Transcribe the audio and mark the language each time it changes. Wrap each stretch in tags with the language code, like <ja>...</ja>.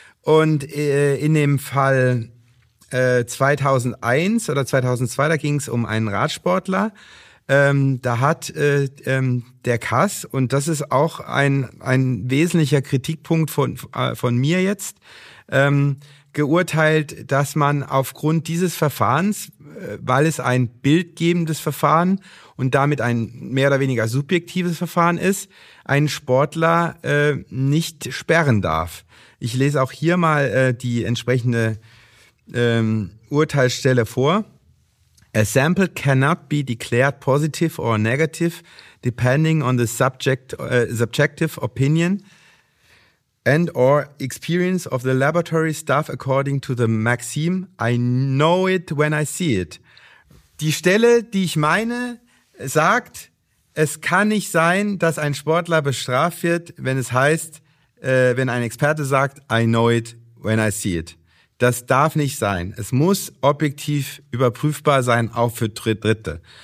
<de>Und in dem Fall 2001 oder 2002, da ging es um einen Radsportler, da hat der KAS, und das ist auch ein wesentlicher Kritikpunkt von mir jetzt, geurteilt, dass man aufgrund dieses Verfahrens, weil es ein bildgebendes Verfahren und damit ein mehr oder weniger subjektives Verfahren ist, einen Sportler nicht sperren darf. Ich lese auch hier mal die entsprechende Urteilsstelle vor.</de> <en>A sample cannot be declared positive or negative depending on the subjective opinion and or experience of the laboratory staff according to the maxim I know it when I see it.</en> <de>Die Stelle, die ich meine, sagt, es kann nicht sein, dass ein Sportler bestraft wird, wenn es heißt, wenn ein Experte sagt,</de> <en>I know it when I see it.</en> <de>Das darf nicht sein. Es muss objektiv überprüfbar sein, auch für Dritte.</de>